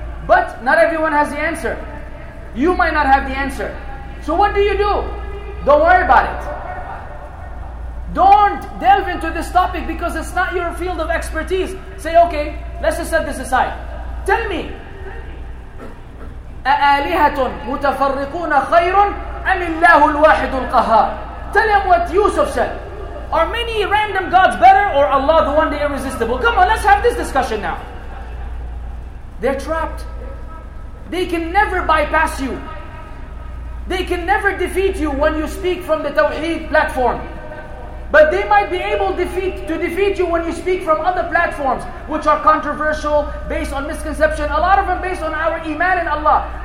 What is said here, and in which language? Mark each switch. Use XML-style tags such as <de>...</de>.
<en>But not everyone has the answer. You might not have the answer. So what do you do? Don't worry about it. Don't delve into this topic because it's not your field of expertise. Say, okay, let's just set this aside. Tell me.</en> <ar>أَآلِهَةٌ مُتَفَرِّقُونَ خَيْرٌ أَمِ اللَّهُ الْوَاحِدُ الْقَهَارِ</ar> <en>Tell him what Yusuf said. Are many random gods better or Allah the one the irresistible? Come on, let's have this discussion now. They're trapped. They can never bypass you. They can never defeat you when you speak from the Tawheed platform. But they might be able to defeat you when you speak from other platforms which are controversial, based on misconception, a lot of them based on our iman in Allah.</en>